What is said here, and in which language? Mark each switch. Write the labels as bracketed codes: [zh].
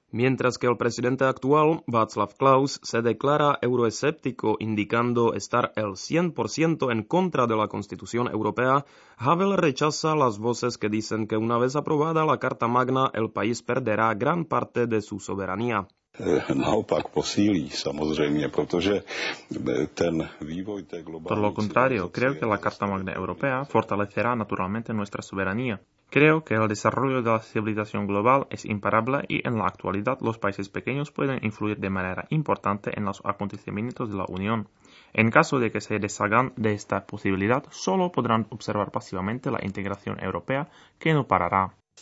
[es] Mientras que el presidente actual, Václav Klaus, se declara euroescéptico, indicando estar el 100% en contra de la Constitución Europea, Havel rechaza las voces que dicen que una vez aprobada la Carta Magna, el país perderá gran parte de su soberanía. [cs] Naopak posílí, samozřejmě, protože ten vývoj té globální. [es] Por lo contrario, creo que la Carta Magna Europea fortalecerá naturalmente nuestra soberanía. Creo que el desarrollo de la civilización global es imparable y en la actualidad los países pequeños pueden influir de manera importante en los acontecimientos de la Unión. En caso de que se deshagan de esta posibilidad, solo podrán observar pasivamente la integración europea que no parará.